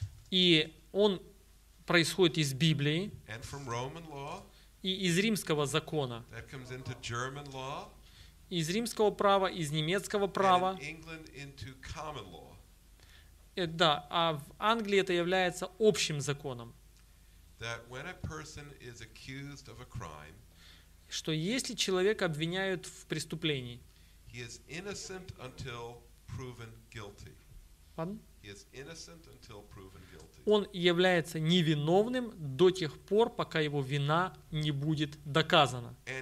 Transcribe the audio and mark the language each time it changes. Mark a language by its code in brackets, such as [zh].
[ru] И он происходит из Библии. [en] And from Roman law. [ru] И из римского закона, [en] that comes into German law, [ru] из римского права, из немецкого права. [en] And in England into common law. [ru] Да, а в Англии это является общим законом. [en] That when a person is accused of a crime, [ru] что если человека обвиняют в преступлении, [en] he is innocent until proven guilty. Pardon? He is innocent until proven guilty. [ru] Он является невиновным до тех пор, пока его вина не будет доказана.